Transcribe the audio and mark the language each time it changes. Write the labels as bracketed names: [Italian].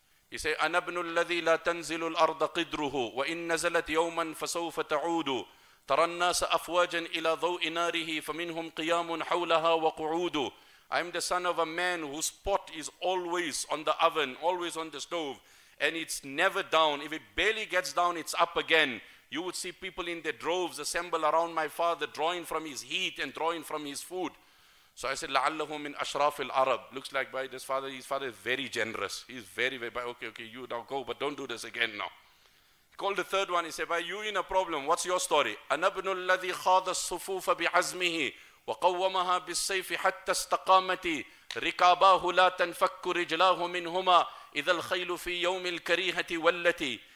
[English] He say, [Arabic] أَنَا بْنُ الَّذِي لَا تَنْزِلُ الْأَرْضَ قِدْرُهُ وَإِنْ نَزَلَتْ يَوْمًا فَسَوْفَ تَعُودُ تَرَى النَّاسَ أَفْوَاجًا إِلَى ضَوْءِ نَارِهِ فَمِنْهُمْ قِيَامٌ حَوْلَهَا وَقُعُودُ. [English] I'm the son of a man whose pot is always on the oven, always on the stove, and it's never down. If it barely gets down, it's up again. You would see people in their droves assemble around my father, drawing from his heat and drawing from his food. So I said, [Arabic] لَعَلَّهُ مِنْ أَشْرَافِ الْعَرَبِ. [English] Looks like by this father, his father is very generous. He's very, very, okay, you now go, but don't do this again now. He called the third one, he said, by you in a problem, what's your story? [Arabic] أَنَا بْنُ الَّذِي خَاضَ الصُّفُوفَ بِعَزْمِهِ وَقَوَّمَهَا بِالسَّيْفِ حَتَّى اسْتَقَامَتِ رِكَابَاهُ لَا تَنْفَكُّ رِجْلَاهُ مِنْهُمَا إِذَا الْخَيْلُ فِي يَوْمِ الْكَرِيهَةِ وَلَّتِ.